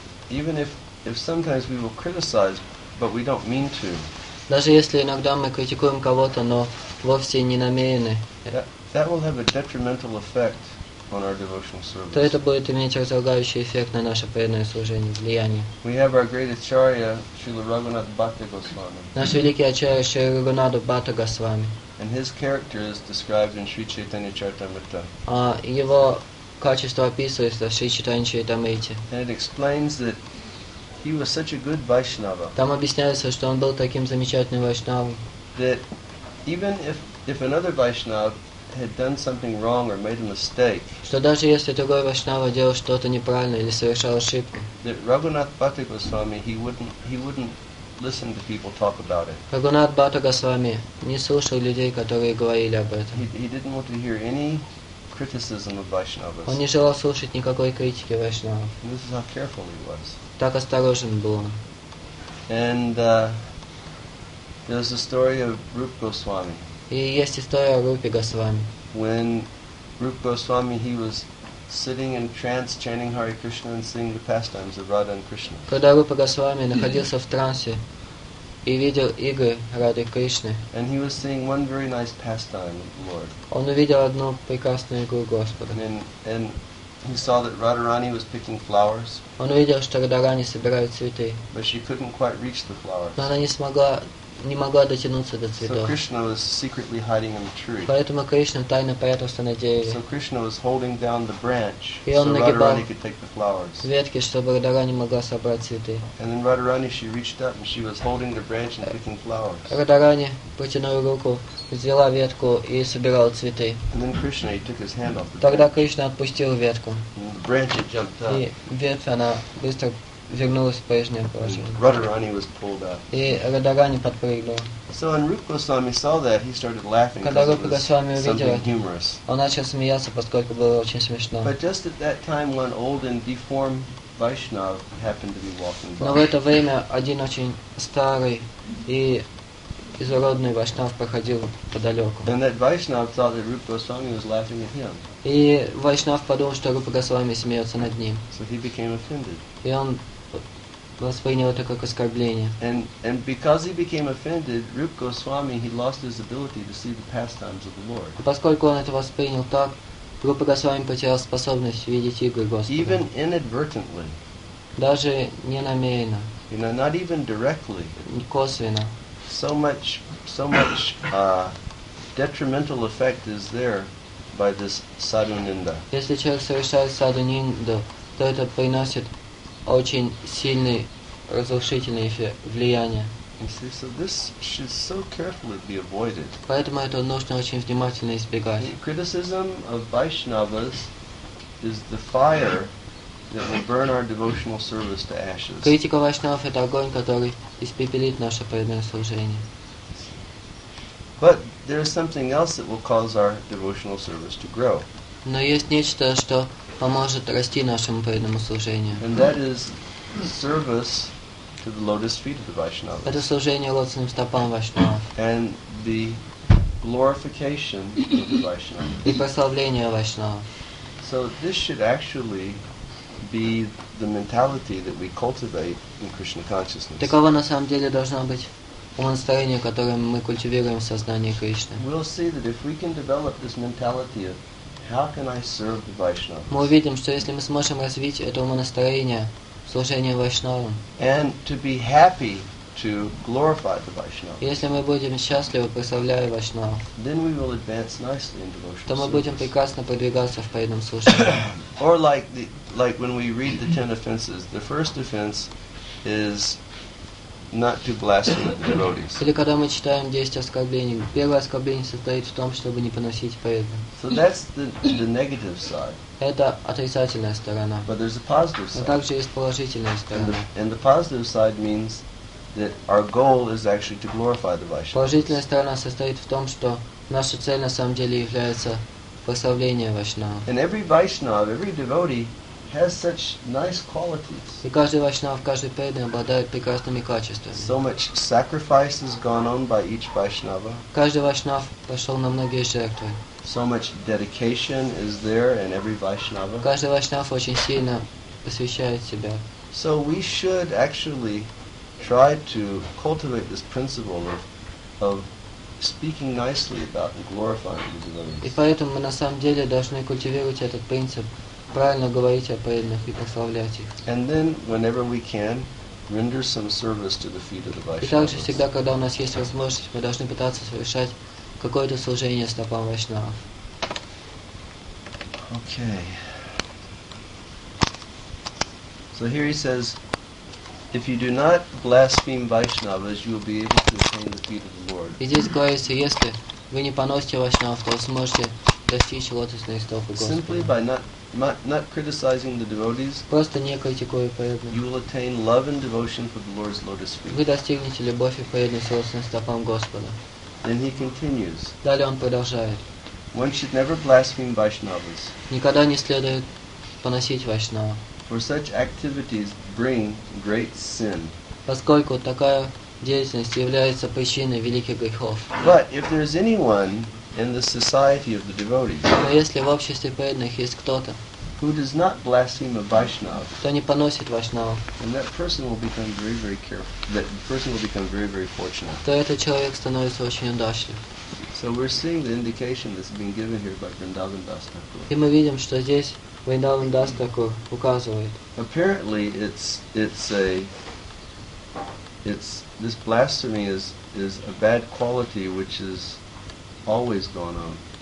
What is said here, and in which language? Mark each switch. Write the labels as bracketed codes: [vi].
[en] Even if sometimes we will criticize, but we don't mean to. [ru] Даже если иногда мы критикуем кого-то, но вовсе не намерены. [en] That will have a detrimental effect on our devotional service. [ru] То это будет иметь разлагающий эффект на наше преданное служение, влияние. [en] We have our great acharya Srila Raghunath Bhatta Goswami. [ru] Наш великий ачарья Шрила Рагунатха Бхатта Госвами. [en] And his character is described in Sri Chaitanya Charitamrita. [ru] Его качество описывается в Шри Чайтанья Чаритамрите. [en] And it explains that he was such a good Vaishnava. [ru] Там объясняется, что он был таким замечательным Вайшнавом. [en] That even if another Vaishnava had done something wrong or made a mistake. [ru] Что даже если другой Вайшнава делал что-то неправильно или совершал ошибку. [en] That Raghunath Bhatta Goswami, he wouldn't listen to people talk about it. [ru] Рагунат Бхатта Госвами не слушал людей, которые говорили об этом. [en] He didn't want to hear any criticism of Vaishnavas. [ru] Он не желал слушать никакой критики Вайшнава. [en] This is how careful he was. [ru] Так осторожен был он. [en] And there's a story of Rupa Goswami. [ru] И есть история о Рупе Госвами. [en] When Rupa Goswami, he was sitting in trance, chanting Hare Krishna and seeing the pastimes of Radha and Krishna. [ru] Когда Рупа Госвами находился в трансе и видел игры Рады и Кришны. [en] And he was seeing one very nice pastime of the Lord. [ru] Он увидел одну прекрасную игру Господа. [en] And He saw that Radharani was picking flowers. [ru] Он увидел, что Радхарани собирает цветы. [en] But she couldn't quite reach the flowers. [ru] Но она не могла дотянуться до цветов. [en] So Krishna was secretly hiding in the tree. [ru] Поэтому Кришна тайно прятался на дереве. [en] So Krishna was holding down the branch, [ru] и он [en] so [ru] нагибал [en] Radharani could take the flowers. [ru] Ветки, чтобы Радхарани могла собрать цветы. [en] And then Radharani, she reached up and she was holding the branch and picking flowers. [ru] Радхарани протянула руку, взяла ветку и собирала цветы. [en] And then Krishna, he took his hand off the [ru] Тогда [en] branch. [ru] Кришна отпустил ветку. [en] And the branch had jumped up. [ru] И ветвь она быстро вернулась в прежнее положение. [en] Radharani was pulled up. [ru] И Радхарани подпрыгнула. [en] So when Rupa Goswami saw that, he started laughing. [ru] Когда Рупа Госвами увидел, [en] humorous. [ru] Он начал смеяться, поскольку было очень смешно. [en] But just at that time, one old and deformed Vaishnav happened to be walking by. [ru] Но в это время один очень старый и изуродный Вайшнав проходил подалеку. [en] And that Vaishnav thought that Rupa Goswami was laughing at him. [ru] И Вайшнав подумал, что Рупа Госвами смеется над ним. [en] So he became offended. [ru] И он воспринял это как оскорбление. [en] And because he became offended, Rupa Goswami, he lost his ability to see the pastimes of the Lord. [ru] Поскольку он это воспринял так, Рупа Госвами потерял способность видеть игры Господа. [en] Even inadvertently. [ru] Даже не намеренно. [en] You know, not even directly. [ru] Косвенно. [en] So much detrimental effect is there by this sadhu ninda. [ru] Если человек совершает саду нинду, то это приносит очень сильный разрушительный эффект влияния. [en] So this should so carefully be avoided. [ru] Поэтому это нужно очень внимательно избегать. [en] The criticism of Vaishnavas is the fire that will burn our devotional service to ashes. [ru] Критика Вайшнавов — это огонь, который испепелит наше преданное служение. [en] But there is something else that will cause our devotional service to grow. [ru] Но есть нечто, что поможет расти нашему преданному служению. [en] And that is service to the lotus feet of the Vaishnavas. [ru] Это служение лотосным стопам Вайшнавов. [en] And the glorification of the Vaishnavas. [ru] И прославление Вайшнавов. [en] So this should actually be the mentality that we cultivate in Krishna consciousness. [ru] Такова на самом деле должна быть настроение, которое мы культивируем в сознании Кришны. [en] We'll see that if we can develop this mentality of how can I serve the Vaishnavas. [ru] Мы увидим, что если мы сможем развить это настроение служения Вайшнавам. [en] And to be happy to glorify the Vaishnavas. [ru] Если мы будем счастливы, прославляя Вайшнавов. [en] Then we will advance nicely in devotional service. [ru] То мы будем прекрасно продвигаться в преданном служении. [en] Or like the Like when we read the 10 offenses, the first offense is not to blaspheme the devotees. [ru] Или когда мы читаем 10 оскорблений, первое оскорбление состоит в том, чтобы не поносить преданных. [en] So that's the negative side. [ru] Это отрицательная сторона. [en] But there's a positive side. [ru] Но также есть положительная сторона. [en] And the positive side means that our goal is actually to glorify the Vaishnavas. [ru] Положительная сторона состоит в том, что наша цель на самом деле является прославление Вайшнава. [en] And every Vaishnava, every devotee has such nice qualities. [ru] И каждый Вайшнав, каждый преданный обладает прекрасными качествами. [en] So much sacrifice has gone on by each Vaishnava. [ru] Каждый Вайшнав пошел на многие жертвы. [en] So much dedication is there in every Vaishnava. [ru] Каждый Вайшнав очень сильно посвящает себя. [en] So we should actually try to cultivate this principle of speaking nicely about and glorifying the devotees. [ru] И поэтому мы на самом деле должны культивировать этот принцип. Правильно говорить о преданных и прославлять их. [en] And then, whenever we can, render some service to the feet of the Vaishnavas. [ru] И также всегда, когда у нас есть возможность, мы должны пытаться совершать какое-то служение стопам Вайшнавов. [en] Okay. So here he says, if you do not blaspheme Vaishnavas, you will be able to attain the feet of the Lord. [ru] И здесь говорится, если вы не поносите Вайшнавов, то вы сможете достичь лотосных стоп Господа. [en] Simply by not criticizing the devotees. [ru] Просто не критикуя преданных. [en] You will attain love and devotion for the Lord's lotus feet. [ru] Вы достигнете любовь и преданность лотосным стопам Господа. [en] Then he continues. [ru] Далее он продолжает. [en] One should never blaspheme Vaishnavas. [ru] Никогда не следует поносить Вайшнава. [en] For such activities bring great sin. [ru] Поскольку такая деятельность является причиной великих грехов. [en] But if there is anyone in the society of the devotees. [ru] Но если в обществе преданных есть кто-то, [en] who does not blaspheme a Vaishnava, [ru] кто не поносит Вайшнава, [en] and that person will become very, very careful. That person will become very, very fortunate. [ru] То этот человек становится очень удачлив. [en] So we're seeing the indication that's been given here by Vrindavan Das Thakur. [ru] И мы видим, что здесь Vrindavandastaku указывает. [en] Apparently this blasphemy is a bad quality which is always going on.